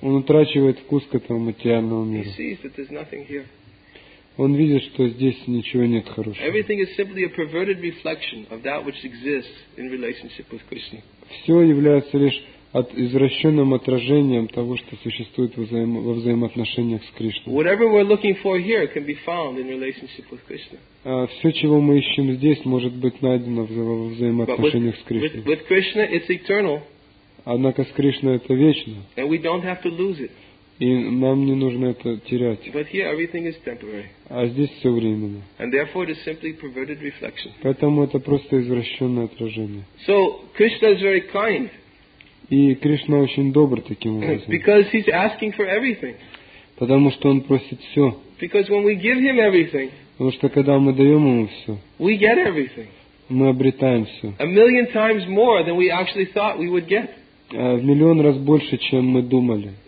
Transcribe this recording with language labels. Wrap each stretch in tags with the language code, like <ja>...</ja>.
<ru>Он утрачивает вкус к этому материальному миру.</ru> <en>He sees that there's nothing here.</en> <ru>Он видит, что здесь ничего нет хорошего.</ru> <en>Everything is simply a perverted reflection of that which exists in relationship with Krishna.</en> <ru>Все является лишь от извращенным отражением того, что существует во взаимоотношениях с Кришной.</ru> <en>Whatever we're looking for here can be found in relationship with Krishna.</en> <ru>Все, чего мы ищем здесь, может быть найдено во взаимоотношениях с Кришной.</ru> <en>With Krishna, it's eternal.</en> <ru>Однако с Кришной это вечно.</ru> <en>And we don't have to lose it.</en> <ru>И нам не нужно это терять.</ru> <en>But here everything is temporary.</en> <ru>А здесь все временно.</ru> <en>And therefore it is simply perverted reflection.</en> <ru>Поэтому это просто извращенное отражение.</ru> <en>So Krishna is very kind.</en> <ru>И Кришна очень добр таким образом.</ru> <en>Because he's asking for everything.</en> <ru>Потому что он просит все.</ru> <en>Because when we give him everything,</en> <ru>потому что когда мы даем ему все,</ru> <en>we get everything.</en> <ru>Мы обретаем все.</ru> <en>A million times more than we actually thought we would get.</en> <ru>В миллион раз больше, чем мы думали.</ru>